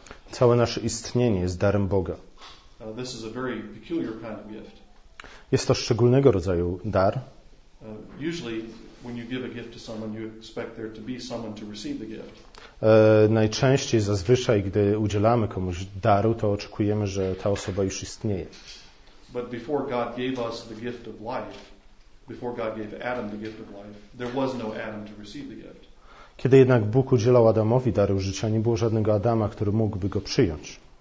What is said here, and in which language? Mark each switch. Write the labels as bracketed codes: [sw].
[pl] Całe nasze istnienie jest darem Boga. [en] This is a very peculiar kind of gift. [pl] Jest to szczególnego rodzaju dar. [en] Usually when you give a gift to someone, you expect there to be someone to receive the gift. [pl] Najczęściej, zazwyczaj, gdy udzielamy komuś daru, to oczekujemy, że ta osoba już istnieje. [en] But before God gave us the gift of life, before God gave Adam the gift of life, there was no Adam to receive the gift. [pl] Kiedy jednak Bóg udzielał Adamowi daru życia, nie było żadnego Adama, który mógłby go przyjąć.